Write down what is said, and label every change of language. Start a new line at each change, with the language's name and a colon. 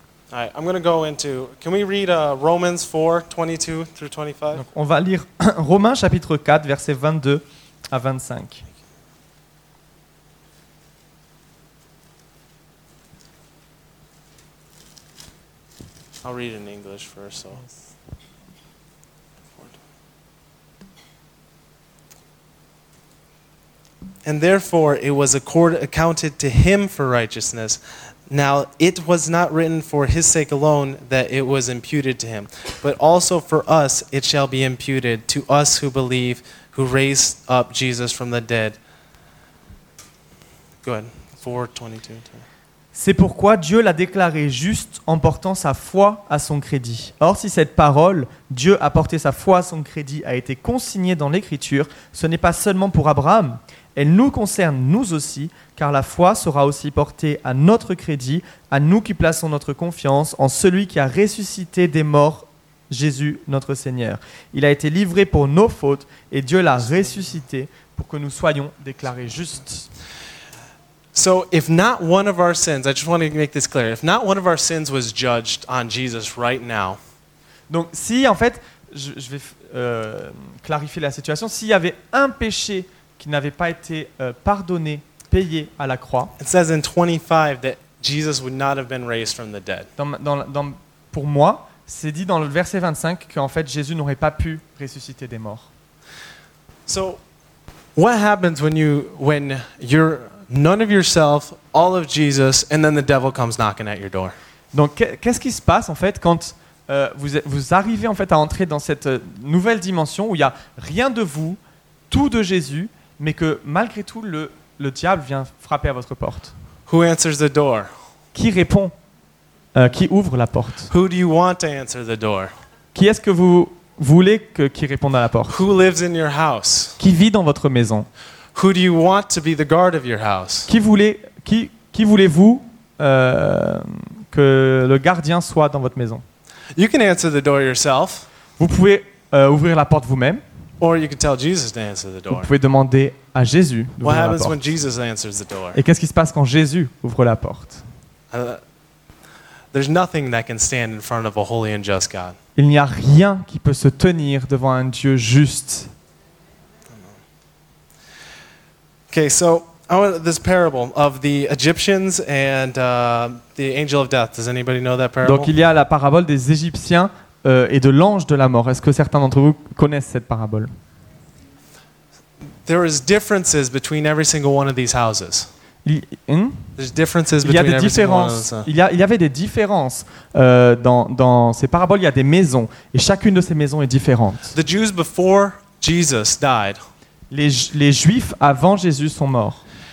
English: All right, I'm going to go into. Can we read Romans 4, 22 through 25?
French: Donc on va lire Romains chapitre 4, versets 22 à 25.
English: Thank you. I'll read in English first. So. Yes. And therefore it was accounted to him for righteousness. Now it was not written for his sake alone that it was imputed to him, but also for us it shall be imputed to us who believe, who raised up Jesus from the dead. Go ahead. 4:22.
French: C'est pourquoi Dieu l'a déclaré juste en portant sa foi à son crédit. Or, si cette parole, Dieu a porté sa foi à son crédit, a été consignée dans l'Écriture, ce n'est pas seulement pour Abraham, elle nous concerne nous aussi, car la foi sera aussi portée à notre crédit, à nous qui plaçons notre confiance en celui qui a ressuscité des morts, Jésus notre Seigneur. Il a été livré pour nos fautes et Dieu l'a ressuscité pour que nous soyons déclarés justes.
English: So if not one of our sins, I just want to make this clear, if not one of our sins was judged on Jesus right now.
French: Donc si en fait, je vais clarifier la situation, s'il y avait un péché qui n'avait pas été pardonné, payé à la croix.
English: It says in 25 that Jesus would not have been raised from the dead.
French: Pour moi, c'est dit dans le verset 25 que en fait Jésus n'aurait pas pu ressusciter des morts.
English: So what happens when you're none of yourself, all of Jesus, and then the devil comes knocking at your door.
French: Donc, qu'est-ce qui se passe en fait quand vous arrivez en fait à entrer dans cette nouvelle dimension où il y a rien de vous, tout de Jésus, mais que malgré tout le diable vient frapper à votre porte.
English: Who answers the door?
French: Qui répond? Qui ouvre la porte?
English: Who do you want to answer the door?
French: Qui est-ce que vous voulez qui réponde à la porte?
English: Who lives in your house?
French: Qui vit dans votre maison?
English: Who do you want to be the guard of your house?
French: Qui voulez-vous que le gardien soit dans votre maison?
English: You can answer the door yourself.
French: Vous pouvez ouvrir la porte vous-même.
English: Or you can tell Jesus to answer the door.
French: Vous pouvez demander à Jésus d'ouvrir la porte.
English: What happens when Jesus answers the door?
French: Et qu'est-ce qui se passe quand Jésus ouvre la porte?
English: There's nothing that can stand in front of a holy and just God.
French: Il n'y a rien qui peut se tenir devant un Dieu juste.
English: Okay, so I want this parable of the Egyptians and the angel of death. Does anybody know that parable?
French: Donc il y a la parabole des Égyptiens et de l'ange de la mort. Est-ce que certains d'entre vous connaissent cette parabole?
English: There is differences between every single one of these houses. There's differences between every single one of these.
French: Il y avait des différences dans ces paraboles. Il y a des maisons et chacune de ces maisons est différente.
English: The Jews before Jesus died.
French: Les Juifs avant Jésus sont morts.